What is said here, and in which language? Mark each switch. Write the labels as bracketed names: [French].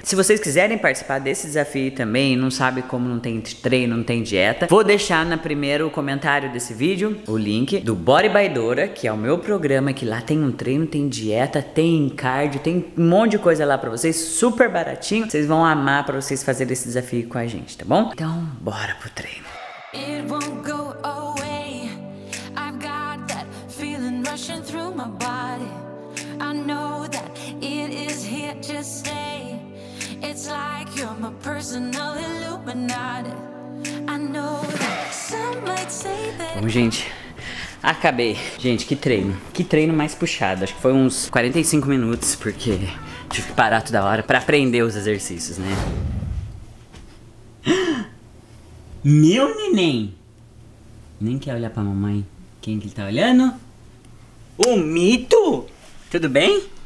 [Portuguese] Se vocês quiserem participar desse desafio também, não sabe como, não tem treino, não tem dieta, vou deixar no primeiro comentário desse vídeo o link do Body by Dora, que é o meu programa, que lá tem um treino, tem dieta, tem cardio, tem um monte de coisa lá pra vocês, super baratinho. Vocês vão amar pra vocês fazerem esse desafio com a gente, tá bom? Então, bora pro treino. [English] It won't go away. I've got that feeling rushing through my body. I know that it is here to stay. It's like you're my personal Illuminati. I know that some might say that. [Portuguese] Bom, gente. Acabei. Gente, que treino. Que treino mais puxado. Acho que foi uns 45 minutos, porque tive que parar toda hora pra aprender os exercícios, né? Meu neném! Nem quer olhar pra mamãe. Quem que ele tá olhando? O mito! Tudo bem?